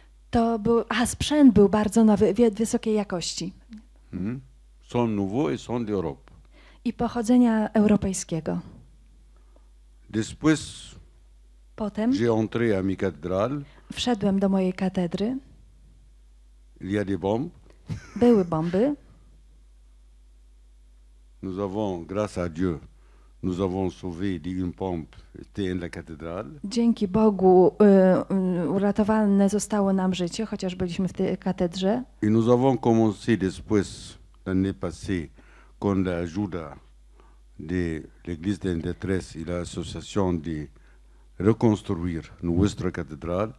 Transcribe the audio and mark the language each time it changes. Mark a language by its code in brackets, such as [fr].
[pl] To był sprzęt był bardzo nowy, wysokiej jakości. [fr] Sont nouveaux et sont d'Europe. [pl] I pochodzenia europejskiego. [es] Después. [pl] Potem [fr] j'ai entré à ma cathédrale. [pl] Wszedłem do mojej katedry. [fr] Il y a des bombes. [pl] Były bomby. [fr] Nous avons, grâce à Dieu, nous avons sauvé une bombe était en la cathédrale. [pl] Dzięki Bogu uratowane zostało nam życie, chociaż byliśmy w tej katedrze. [fr] Et nous avons commencé después l'année passée [es] con la ayuda [fr] de l'église de détresse et l'association de reconstruire nuestra cathédrale.